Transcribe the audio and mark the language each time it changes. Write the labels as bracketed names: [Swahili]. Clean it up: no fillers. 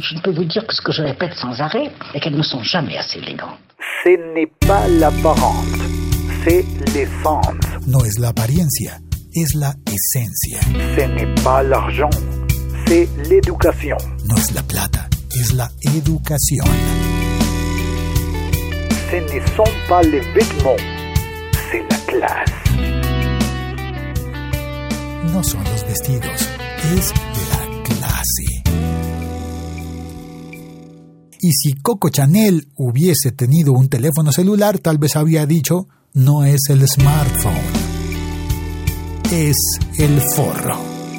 [French] je ne peux vous dire que ce que je répète sans arrêt est qu'elles ne sont jamais assez élégantes. Ce n'est pas l'apparence, c'est l'essence. [Spanish] No es la apariencia, es la esencia. [French] Ce n'est pas l'argent, c'est l'éducation. [Spanish] No es la plata, es la educación. [French] Ce ne sont pas les vêtements, c'est la classe. [Spanish] No son los vestidos, es la clase. Y si Coco Chanel hubiese tenido un teléfono celular, tal vez habría dicho, no es el smartphone, es el forro.